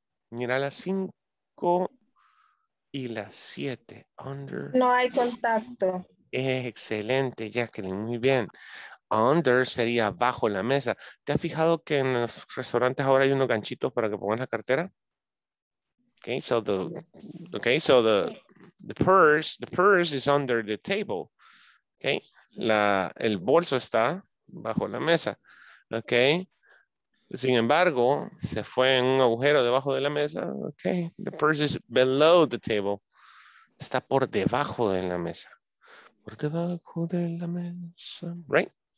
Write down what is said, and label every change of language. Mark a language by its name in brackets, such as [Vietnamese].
[Spanish] Mira la 5 y la 7. Under. No hay contacto. Excelente, Jacqueline, muy bien. Under sería bajo la mesa. ¿Te has fijado que en los restaurantes ahora hay unos ganchitos para que pongas la cartera? [English] Okay, so the purse is under the table. [Spanish] Okay, el bolso está bajo la mesa. Okay, sin embargo, se fue en un agujero debajo de la mesa. [English] Okay, the purse is below the table. [Spanish] Está por debajo de la mesa. [English] Por debajo de la mesa. Right?